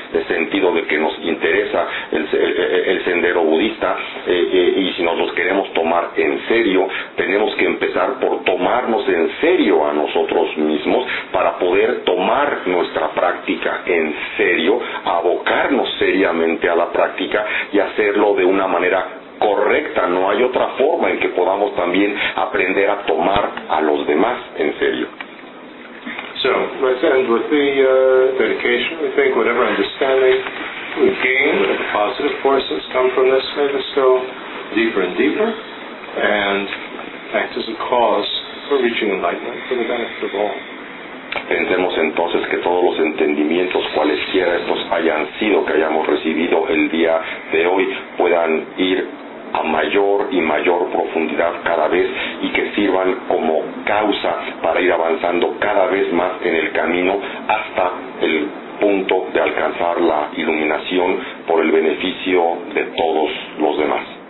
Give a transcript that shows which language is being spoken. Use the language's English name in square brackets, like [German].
[Spanish] sentido de que nos interesa el sendero budista, y si nos los queremos tomar en serio, tenemos que empezar por tomarnos en serio a nosotros mismos para poder tomar nuestra práctica en serio, abocarnos seriamente a la práctica y hacerlo de una manera correcta, no hay otra forma en que podamos también aprender a tomar a los demás en serio. [English] So, let's end with the dedication. We think whatever understanding we gain, whatever positive forces come from this, let us go deeper and deeper and act as a cause for reaching enlightenment for the benefit of all. [Spanish] Pensemos entonces que todos los entendimientos, cualesquiera estos hayan sido, que hayamos recibido el día de hoy, puedan ir a mayor y mayor profundidad cada vez y que sirvan como causa para ir avanzando cada vez más en el camino hasta el punto de alcanzar la iluminación por el beneficio de todos los demás.